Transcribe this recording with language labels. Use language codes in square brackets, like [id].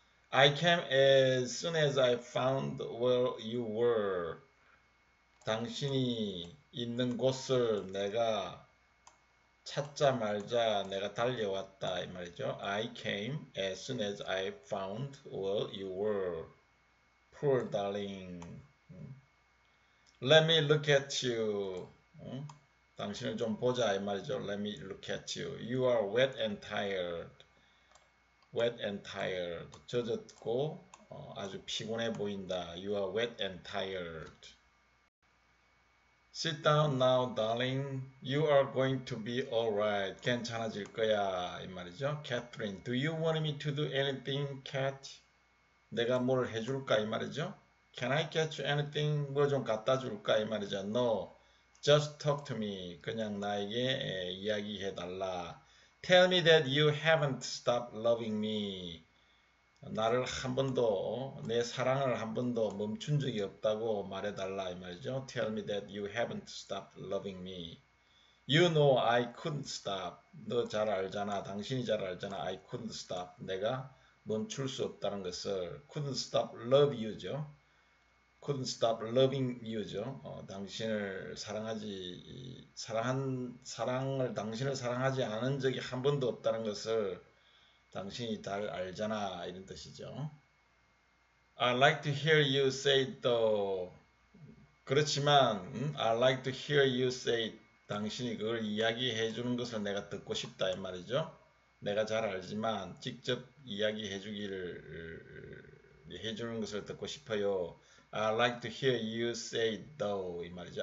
[en] I came as soon as I found where you were. [ko] 당신이 있는 곳을 내가 찾자 말자 내가 달려왔다 이 말이죠. [en] I came as soon as I found where you were. Poor darling. Let me look at you. [ko] 당신을 좀 보자 이 말이죠. [en] Let me look at you. You are wet and tired. Wet and tired. [ko] 젖었고 아주 피곤해 보인다. [en] You are wet and tired. Sit down now, darling. You are going to be alright. [ko] 괜찮아질 거야. 이 말이죠. [en] Catherine, do you want me to do anything, Cat? [ko] 내가 뭘 해줄까? 이 말이죠. [en] Can I get you anything? [ko] 뭐좀 갖다 줄까? 이 말이죠. [en] No. Just talk to me. [ko] 그냥 나에게 이야기해달라. [en] Tell me that you haven't stopped loving me. [ko] 나를 한 번도, 내 사랑을 한 번도 멈춘 적이 없다고 말해달라 이 말이죠. [en] Tell me that you haven't stopped loving me. You know I couldn't stop. [ko] 너잘 알잖아. 당신이 잘 알잖아. [en] I couldn't stop. [ko] 내가 멈출 수 없다는 것을. [en] Couldn't stop love you죠. Couldn't stop loving you죠. [ko] 당신을 사랑하지, 사랑을, 당신을 사랑하지 않은 적이 한 번도 없다는 것을 당신이 잘 알잖아 이런 뜻이죠. [en] I like to hear you say though. [ko] 그렇지만 [en] I like to hear you say [ko] 당신이 그걸 이야기해 주는 것을 내가 듣고 싶다 이 말이죠. 내가 잘 알지만 직접 이야기해 주기를 해 주는 것을 듣고 싶어요. [en] I like to hear you say though [ko] 이 말이죠.